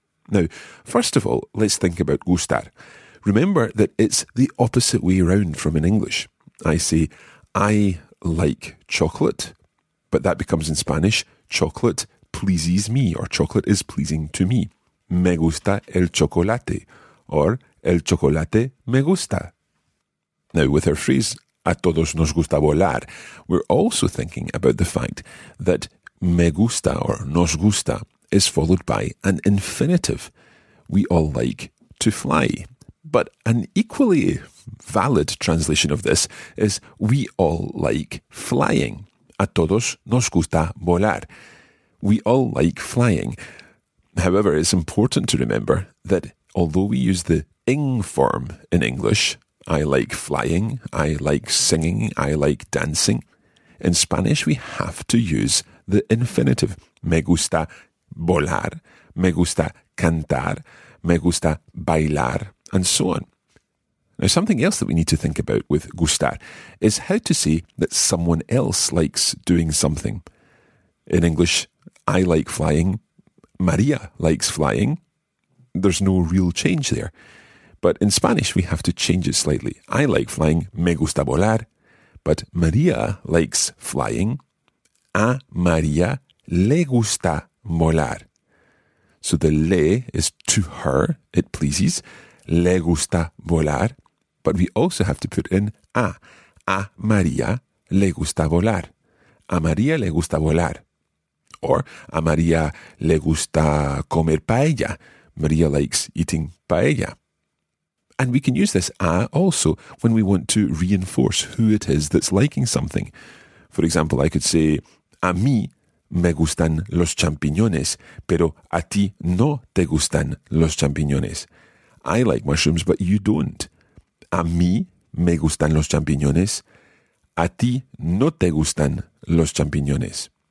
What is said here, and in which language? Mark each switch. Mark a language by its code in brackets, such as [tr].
[en] Now, first of all, let's think about gustar. Remember that it's the opposite way around from in English. I say, I like chocolate, but that becomes in Spanish, chocolate pleases me, or chocolate is pleasing to me. [es] Me gusta el chocolate, or el chocolate me gusta. [en] Now, with our phrase, [es] a todos nos gusta volar, [en] we're also thinking about the fact that [es] me gusta [en] or [es] nos gusta [en] is followed by an infinitive. We all like to fly. But an equally valid translation of this is we all like flying. [es] A todos nos gusta volar. [en] We all like flying. However, it's important to remember that although we use the ing form in English, I like flying, I like singing, I like dancing, in Spanish we have to use the infinitive. [es] Me gusta volar, me gusta cantar, me gusta bailar, [en] and so on. Now, something else that we need to think about with gustar is how to say that someone else likes doing something. In English, I like flying, María likes flying. There's no real change there. But in Spanish, we have to change it slightly. I like flying, [es] me gusta volar. [en] But María likes flying, [es] a María le gusta volar. [en] So the le is to her, it pleases, [es] le gusta volar. [en] But we also have to put in [es] a María le gusta volar. A María le gusta volar. Or a María le gusta comer paella. [en] María likes eating paella. And we can use this a also when we want to reinforce who it is that's liking something. For example, I could say, [es] a mí me gustan los champiñones, pero a ti no te gustan los champiñones. [en] I like mushrooms, but you don't. [es] A mí me gustan los champiñones. A ti no te gustan los champiñones.